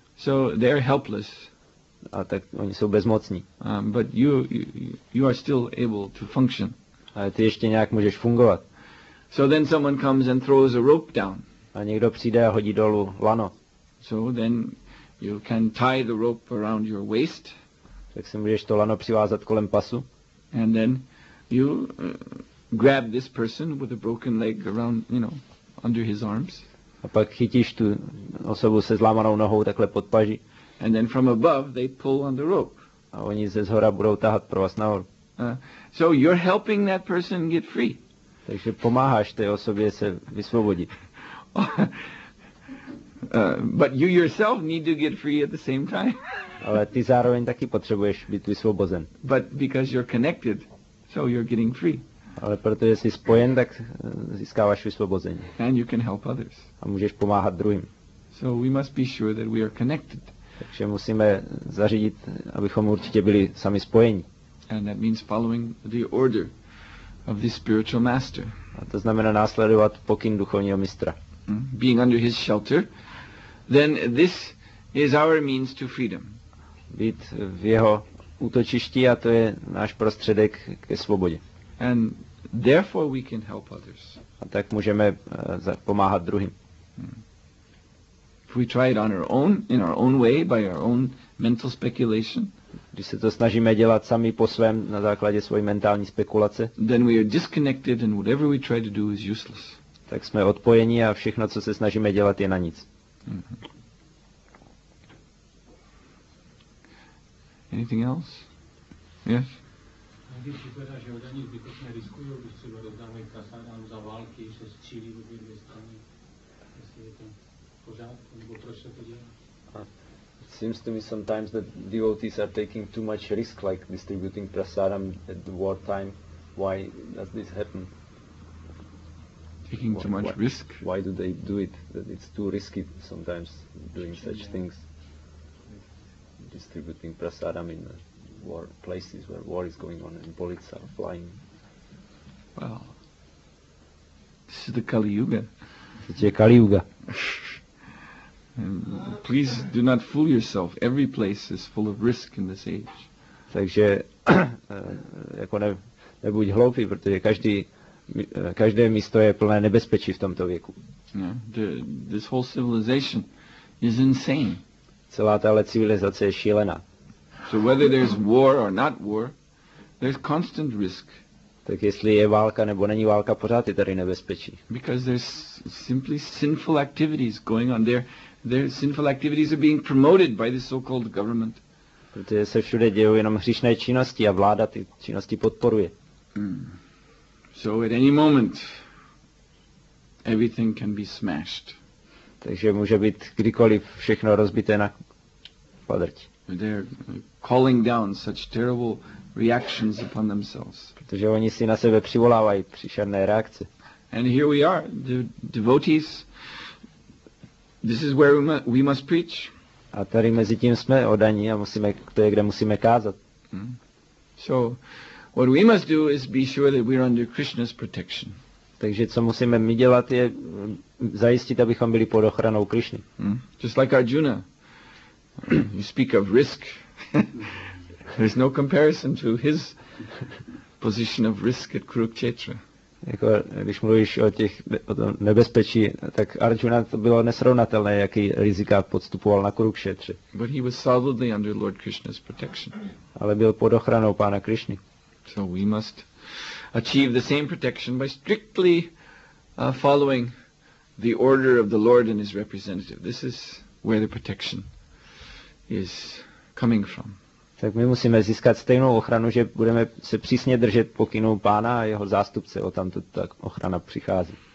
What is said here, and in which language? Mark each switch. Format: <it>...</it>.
<en>So they're helpless.</en> <cs>A tak oni jsou bezmocní.</cs> <en>But you are still able to function.</en> <cs>Ale ty ještě nějak můžeš fungovat.</cs> <en>So then someone comes and throws a rope down.</en> <cs>A někdo přijde a hodí dolů lano.</cs> <en>So then you can tie the rope around your waist.</en> <cs>Tak si můžeš to lano přivázat kolem pasu.</cs> <en>And then you grab this person with a broken leg around, you know, under his arms.</en> <cs>A pak chytíš tu osobu se zlámanou nohou takhle pod paži.</cs> <en>And then from above they pull on the rope.</en> <cs>A oni ze zhora budou tahat pro vás nahoru.</cs> <en>So you're helping that person get free.</en> <cs>Takže pomáháš té osobě se vysvobodit.</cs> <en>But you yourself need to get free at the same time.</en> <cs>Ale ty zároveň taky potřebuješ být vysvobozen.</cs> <en>But because you're connected, so you're getting free.</en> <cs>Ale protože jsi spojen, tak získáváš vysvobození.</cs> <en>And you can help others.</en> <cs>A můžeš pomáhat druhým.</cs> <en>So we must be sure that we are connected.</en> <cs>Takže musíme zařídit, abychom určitě byli sami spojeni.</cs> <en>And that means following the order of the spiritual master.</en> <cs>A to znamená následovat pokyn duchovního mistra.</cs> <en>Being under his shelter, then this is our means to freedom.</en> <cs>Být v jeho útočišti, a to je náš prostředek ke svobodě.</cs> <en>And therefore we can help others.</en> <cs>A tak můžeme pomáhat druhým.</cs> <en>If we try it on our own, in our own way, by our own mental speculation,</en> <cs>když se to snažíme dělat sami po svém, na základě svojí mentální spekulace,</cs> <en>then we are disconnected and whatever we try to do is useless.</en> <cs>Tak jsme odpojeni a všechno, co se snažíme dělat, je na nic.</cs> <en>Mm-hmm. Anything else? Yes?</en> <cs>Když je teda, že oni zbytečně riskují, když třeba rozdávají kasárnám za války, že se střílí obě dvě strany, jestli je to pořádku, nebo proč se to dělá?</cs> <en>Seems to me sometimes that devotees are taking too much risk, like distributing prasadam at the war time. Why does this happen? Taking too much risk? Why do they do it? That it's too risky sometimes doing such things, distributing prasadam in war places where war is going on and bullets are flying. Well, this is the Kali Yuga. It's a Kali Yuga. And please do not fool yourself. Every place is full of risk in this age.</en> <cs>Takže jako nebuď hloupý, protože každé místo je plné nebezpečí v tomto věku.</cs> <en>This whole civilization is insane.</en> <cs>Celá tahle civilizace je šílená.</cs> <en>So whether there's war or not war, there's constant risk.</en> <cs>Tak jestli je válka nebo není válka, pořád je tady nebezpečí.</cs> <en>Because there's simply sinful activities going on there. Their sinful activities are being promoted by the so-called government.</en> <cs>Protože se všude dějí jenom hříšné činnosti a vláda ty činnosti podporuje.</cs> <en>So at any moment everything can be smashed.</en> <cs>Takže může být kdykoliv všechno rozbité na kvadrť.</cs> <en>They're calling down such terrible reactions upon themselves.</en> <cs>Protože oni si na sebe přivolávají příšerné reakce.</cs> <en>And here we are, the devotees. This is where we must preach.</en> <cs>A tady mezi tím jsme oddaní a to je, kde musíme kázat.</cs> <en>So what we must do is be sure that we're under Krishna's protection.</en> <cs>Takže co musíme my dělat, je zajistit, abychom byli pod ochranou Krišny.</cs> <en>Just like Arjuna. You speak of risk. There's no comparison to his position of risk at Kurukshetra.</en> <cs>Jako, když mluvíš o tom nebezpečí, tak Arjuna to bylo nesrovnatelné, jaký rizika podstupoval na Kurukšetře.</cs> <en>But he was solidly under Lord Krishna's protection.</en> <cs>Ale byl pod ochranou pána Krišny.</cs> <en>So we must achieve the same protection by strictly following the order of the Lord and his representative. This is where the protection is coming from.</en> <cs>Tak my musíme získat stejnou ochranu, že budeme se přísně držet pokynů pána a jeho zástupce, o tam to tak ochrana přichází.</cs>